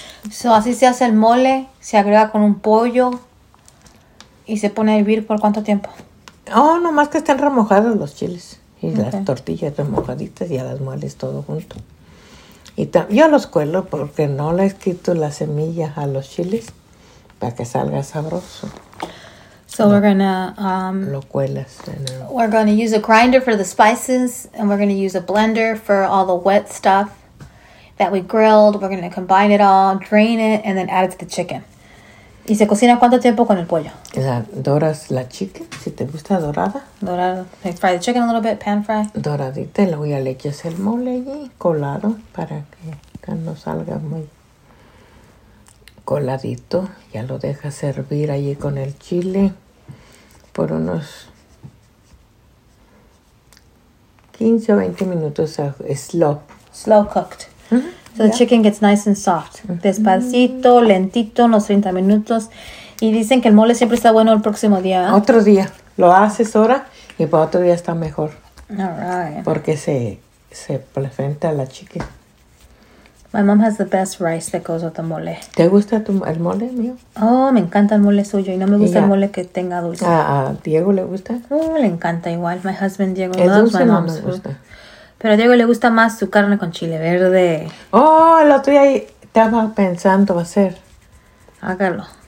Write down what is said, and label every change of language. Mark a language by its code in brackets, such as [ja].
[es] So, así se hace el mole, se agrega con un pollo. ¿Y se pone a hervir por cuánto tiempo? Oh, nomás que estén remojados los chiles. Las tortillas remojaditas y a las mueles todo junto. Yo los cuelo porque no le he quitado la semilla a los chiles para que salga sabroso. Lo cuelas. [en] We're going to use a grinder for the spices and we're going to use a blender for all the wet stuff that we grilled. We're going to combine it all, drain it, and then add it to the chicken. [es] ¿Y se cocina cuánto tiempo con el pollo? Doras la chicken, si te gusta dorada. Dorada. [en] Fry the chicken a little bit, pan fry. [es] Doradita, y luego ya le echas el mole allí, colado, para que no salga muy coladito. Ya lo dejas hervir allí con el chile por unos 15 o 20 minutos, slow. [en] Slow cooked. So the chicken gets nice and soft. [es] Despacito, lentito, unos 30 minutos. Y dicen que el mole siempre está bueno el próximo día, ¿eh? Otro día. Lo haces ahora y para otro día está mejor. [en] All right. [es] Porque se presenta la chicken. [en] My mom has the best rice that goes with the mole. [es] ¿Te gusta el mole mío? Oh, me encanta el mole suyo. Y no me gusta el mole que tenga dulce. ¿A Diego le gusta? Le encanta igual. [en] My husband Diego loves my mom's food. [es] Pero a Diego le gusta más su carne con chile verde. Oh, el otro día estaba pensando hacer. Hágalo.